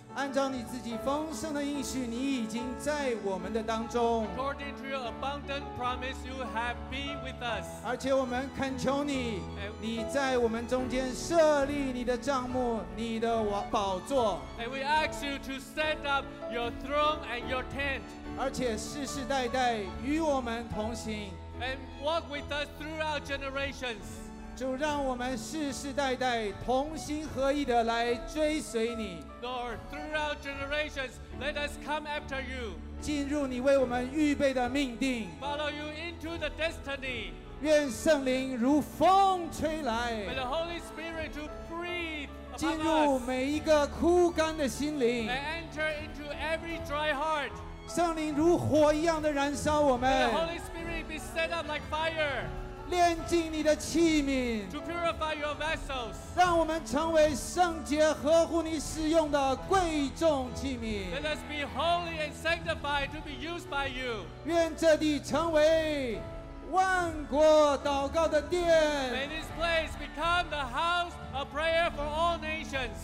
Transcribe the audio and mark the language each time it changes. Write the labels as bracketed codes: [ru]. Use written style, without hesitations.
[zh] 按照你自己丰盛的应许，你已经在我们的当中。 [en] According to your abundant promise, you have been with us. [zh] 而且我们恳求你，你在我们中间设立你的帐幕，你的宝座。 [en] And we ask you to set up your throne and your tent. [zh] 而且世世代代与我们同行。 [en] And walk with us throughout generations. [zh] 主，让我们世世代代同心合意的来追随你。 [en] Lord, throughout generations, let us come after you. [zh] 进入你为我们预备的命定。 [en] Follow you into the destiny. [zh] 愿圣灵如风吹来。 [en] May the Holy Spirit to breathe upon us. [zh] 进入每一个枯干的心灵。 [en] And enter into every dry heart. [zh] 圣灵如火一样的燃烧我们。 [en] May the Holy Spirit. Set up like fire, [zh] 炼净你的器皿 [en] to purify your vessels. [zh] 让我们成为圣洁合乎你使用的贵重器皿 [en] Let us be holy and sanctified to be used by you. [zh] 愿这地成为万国祷告的殿 [en] May this place become the house of prayer for all nations.